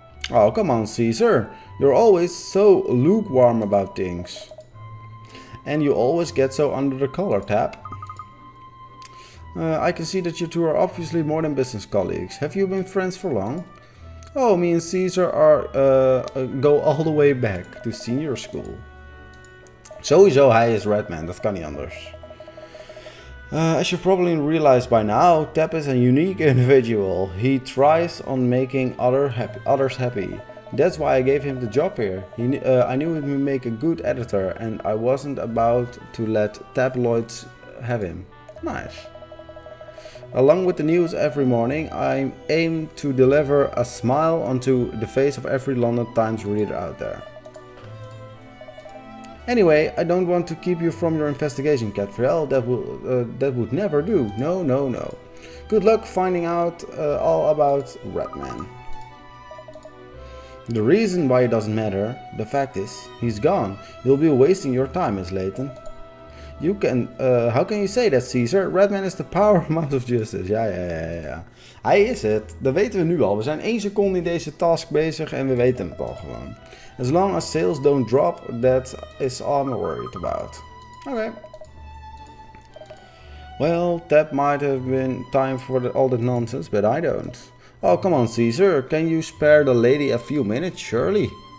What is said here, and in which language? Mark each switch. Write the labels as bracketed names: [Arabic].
[English] Oh, come on, Caesar. You're always so lukewarm about things. And you always get so under the collar, Tap. I can see that you two are obviously more than business colleagues. Have you been friends for long? Oh, me and Caesar are go all the way back to senior school. [Dutch] Sowieso hij is Redman, dat kan niet anders. [English] As you've probably realized by now, Tap is a unique individual. He thrives on making others happy. That's why I gave him the job here. I knew he would make a good editor, and I wasn't about to let tabloids have him. Nice. Along with the news every morning, I aim to deliver a smile onto the face of every London Times reader out there. Anyway, I don't want to keep you from your investigation, Catriel. That would never do. No, no, no. Good luck finding out all about Redman. The reason why it doesn't matter, the fact is, he's gone. You'll be wasting your time, Miss Layton. You can... how can you say that, Caesar? Redman is the power mouse of justice. [Dutch] Ja, ja, ja, ja. Hij is het. Dat weten we nu al. We zijn 1 seconde in deze task bezig en we weten het al gewoon. [English] As long as sales don't drop, that is all I'm worried about. Okay. Well, that might have been time for all that nonsense, but I don't. Oh, come on, Caesar. Can you spare the lady a few minutes, surely?